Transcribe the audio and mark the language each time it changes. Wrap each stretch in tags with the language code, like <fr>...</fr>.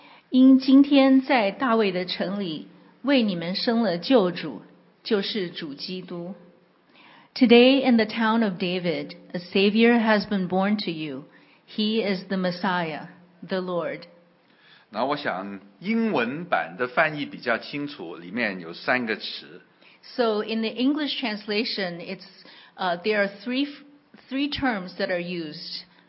<zh>因今天在大卫的城里为你们生了救主，就是主基督。</zh> <en>Today in the town of David, a Savior has been born to you. He is the Messiah, the Lord.</en> <zh>那我想英文版的翻译比较清楚，里面有三个词。</zh> <en>So in the English translation, there are three terms that are used.</en>